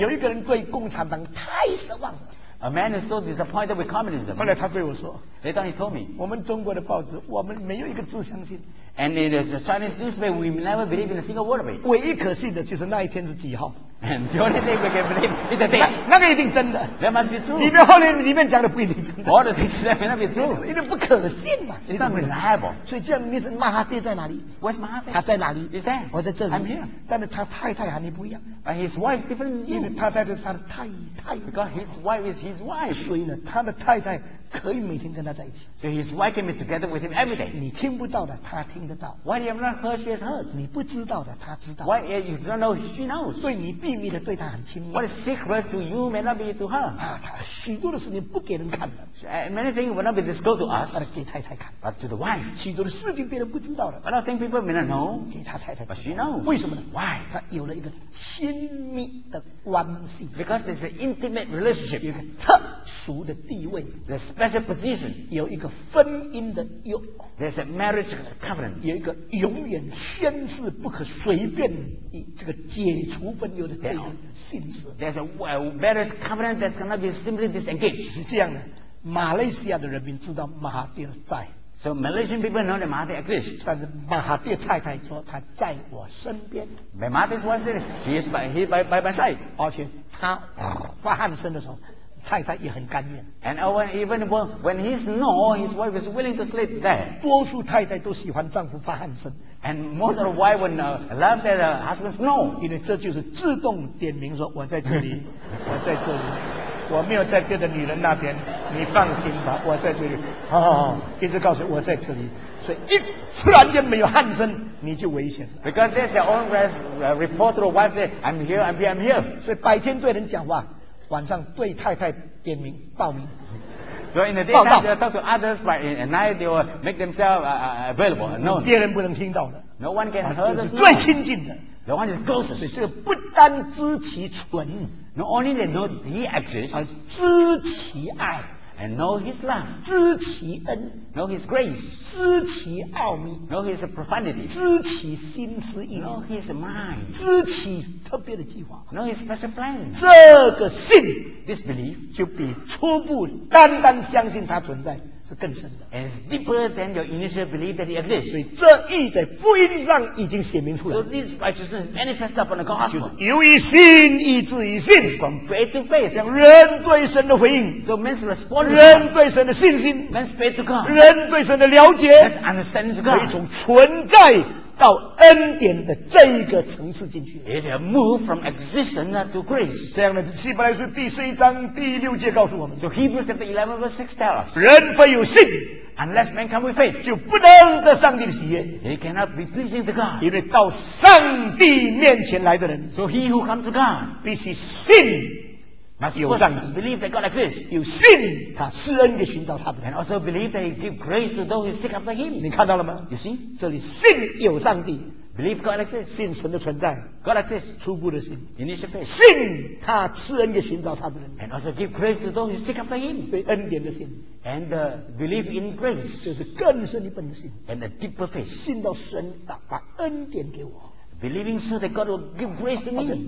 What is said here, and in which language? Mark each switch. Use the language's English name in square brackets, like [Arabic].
[Chinese] 有一个人对共产党太失望了。 [English] A man is so disappointed with communism. [Chinese] 后来他对我说 [English] ，Later he told me, [Chinese] 我们中国的报纸，我们没有一个字相信。 [English] And in the Chinese newspaper, we never believe in a single word of it. [Chinese] 唯一可信的就是那一天是几号。 [English] And the only thing we can believe is the date. [Chinese] 那个一定真的。 [English] That must be true. [Chinese] 里面后面里面讲的不一定真的。 [English] All the things that may not be true. [Chinese] 因为不可信嘛。 [English] It's not reliable. [Chinese] 所以这样你是马哈爹在哪里 [English] ？Where's 马哈爹？ [Chinese] 他在哪里 [English] ？Is that? [Chinese] 我在这里。 [English] I'm here. [Chinese] 但是他太太和你不一样。 [English] But his wife is different. [Chinese] 因为他太太是他的太太。 [English] Because his wife is his wife. [Chinese] 所以呢，他的太太。可以每天跟他在一起。 [English] So his wife can be together with him every day. [Chinese] 你听不到的，他听得到。 [English] Why you have not heard, she has heard. [Chinese] 你不知道的，他知道。 [English] Why you don't know, she knows. [Chinese] 对你秘密的，对他很亲密。 [English] What is secret to you may not be to her. [Chinese] 啊，许多的事情不给人看的。 [English] Many things will not be disclosed to us. [Chinese] 但给太太看。 [English] But to the wife. [Chinese] 许多的事情别人不知道的。 [English] A lot of things people may not know. [Chinese] 给他太太。 [English] But she knows. [Chinese] 为什么呢 [English] ？Why? [Chinese] 他有了一个亲密的关系。 [English] Because there's an intimate relationship. [Chinese] 有一个特殊的地位。 [English] There's a position. [Chinese] 有一个婚姻的约。 [English] There's a marriage covenant. [Chinese] 有一个永远宣誓不可随便以这个解除婚约的这个信誓。 [English] There's a marriage covenant that's gonna be simply disengaged. [Chinese] 是这样的，马来西亚的人民知道马哈蒂在。 [English] So Malaysian people know that Mahathir exists. [Chinese] 但是马哈蒂太太说他在我身边。 [English] But Mahathir's wife said she is by my side. [Chinese] 而且他发汗声的时候。太太也很甘愿。 [English] And even when he's no, his wife is willing to sleep there. [Chinese] 多数太太都喜欢丈夫发汗声。 [English] And most of the wife would love that her husband's no. [Chinese] 因为这就是自动点名说我在这里，我在这里，我没有在别的女人那边，你放心吧，我在这里。好好好，一直告诉我在这里。所以一突然间没有汗声，你就危险。 [English] Because there's their own report to the wife say, I'm here, I'm here, I'm here. [Chinese] 所以白天对人讲话。晚上对太太点名报名。 [English] So in the day time they talk to others, but at night they will make themselves available. No, [Chinese] 别人不能听到的。 [English] No one can hear them. [Chinese] 最亲近的。 [English] The one is closest. [Chinese] 所以这个不单知其存 [English] ，not only they know the existence, [Chinese] 而知其爱 [English] ，and know his love. [Chinese] 知其恩 [English] ，know his grace. [Chinese] 知其奥秘 [English] ，know his profundity. [Chinese] 知其心思意 [English] ，know his mind. [Chinese] 知其特别的计划 [English] ，know his special plan. [Chinese] 这个信 [English] ，this belief， [Chinese] 就比初步单单相信他存在是更深的。 [English] And it's deeper than your initial belief that he exists. [Chinese] 所以这义在福音上已经显明出来。 [English] So this righteousness manifests upon the gospel. [Chinese] 就是由于信，以至于信。 [English] From faith to faith， [Chinese] 像人对神的回应。 [English] So man's response. [Chinese] 人对神的信心。 [English] Man's faith to God. [Chinese] 人对神的了解。 [English] That's understanding to God. [Chinese] 可以从存在。到恩典的这一个层次进去 [English] It has moved from existence to grace [Chinese] 这样的希伯来书第四章第六节告诉我们 [English] So Hebrews chapter 11 verse 6 tells us [Chinese] 人非有信 [English] Unless man come with faith [Chinese] 就不能得上帝的喜悦 [English] He cannot be pleasing to God [Chinese] 因为到上帝面前来的人 [English] So he who comes to God [Chinese] 必须信有上帝 [English] ，believe that God exists， [Chinese] 有信，他施恩给寻找他的 [English] ，and also believe that He gives grace to those who seek after Him。 [Chinese] 你看到了吗 [English] ？You see， [Chinese] 这里信有上帝 [English] ，believe God exists， [Chinese] 信神的存在 [English] ，God exists， [Chinese] 初步的信 [English] ，initial faith， [Chinese] 信他施恩给寻找他的人 [English] ，and also give grace to those who seek after Him， [Chinese] 对恩典的信 [English] ，and believe in grace， [Chinese] 就是更深一步的信 [English] ，and a deeper faith， [Chinese] 信到神把恩典给我。 [English] believing so that God will give grace to me.